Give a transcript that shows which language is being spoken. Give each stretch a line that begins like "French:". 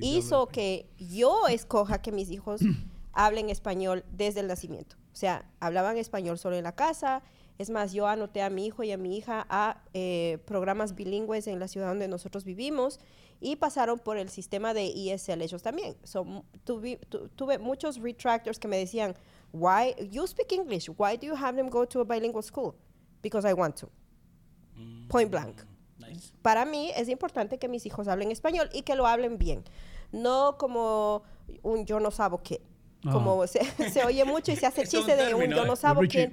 Spanish: hizo que yo escoja que mis hijos hablen español desde el nacimiento. O sea, hablaban español solo en la casa. Es más, yo anoté a mi hijo y a mi hija a programas bilingües en la ciudad donde nosotros vivimos y pasaron por el sistema de ESL ellos también. Tuve muchos retractors que me decían,
English: why you speak English? Why do you have them go to a bilingual school? Because I want to. Point blank. Nice.
Spanish: Para mí es importante que mis hijos hablen español y que lo hablen bien. No como un yo no sabo qué. Como se oye mucho y se hace chiste de un yo no sabo qué.